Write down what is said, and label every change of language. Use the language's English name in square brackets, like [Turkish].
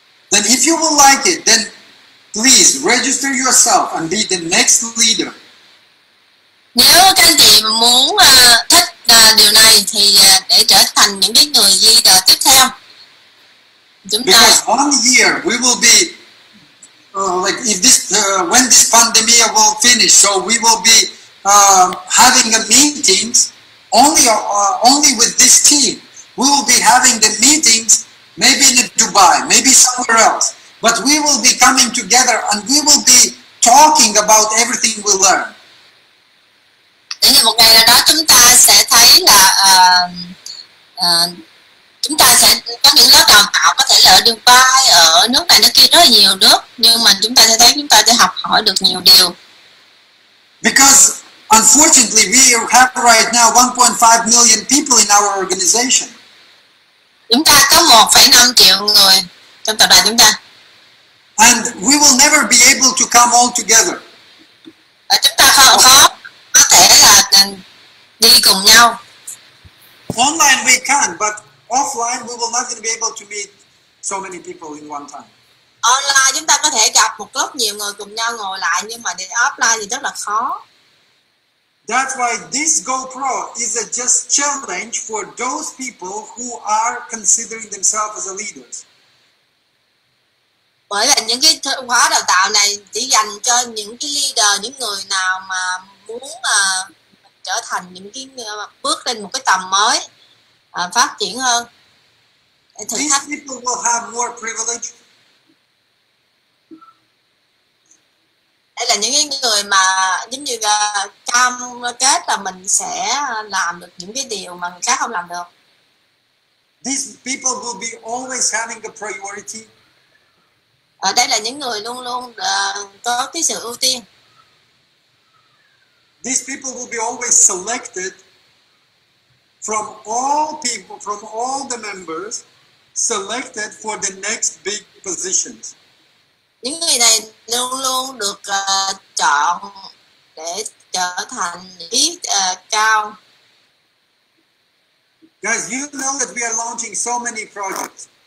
[English] Then if you would like it, then please register yourself and be the next leader. [Vietnamese] Nếu các anh chị muốn thích điều này thì để trở thành những cái người leader tiếp theo. Chúng ta [English] because one year we will be like if this when this pandemic will finish, so we will be having a meetings only only with this team. We will be having the meetings maybe in Dubai, maybe somewhere else, but we will be coming together and we will be talking about everything we learn. [Vietnamese] Đến một ngày nào đó chúng ta sẽ thấy là chúng ta sẽ có những lớp đào tạo, có thể là ở Dubai, ở nước này nước kia, rất là nhiều nước, nhưng mà chúng ta sẽ thấy chúng ta sẽ học hỏi được nhiều điều. [English] Because unfortunately we have right now 1.5 million people in our organization. [Vietnamese] Chúng ta có 1,5 triệu người trong tập đoàn chúng ta. [English] And we will never be able to come all together. [Vietnamese] Chúng ta có thể là đi cùng nhau. [English] Online we can, but offline we will not be able to meet so many people in one time. [Vietnamese] Online chúng ta có thể gặp một lớp nhiều người cùng nhau ngồi lại, nhưng mà để offline thì rất là khó. [English] That's why this GoPro is a just challenge for those people who are considering themselves as a leaders. [Vietnamese] Bởi vì những cái khóa đào tạo này chỉ dành cho những cái leader, những người nào mà muốn trở thành những cái bước lên một cái tầm mới, phát triển hơn, thử thách. [English] These people will have more privilege. [Vietnamese] Đây là những cái người mà giống như cam kết là mình sẽ làm được những cái điều mà người khác không làm được. [English] These people will be always having a priority. [Vietnamese] Ở đây là những người luôn luôn có cái sự ưu tiên. [English] These people will be always selected from all people, from all the members, selected for the next big positions. [Vietnamese] Những người này luôn luôn được chọn để trở thành ít cao. [English] Guys, you know that we are launching so many projects.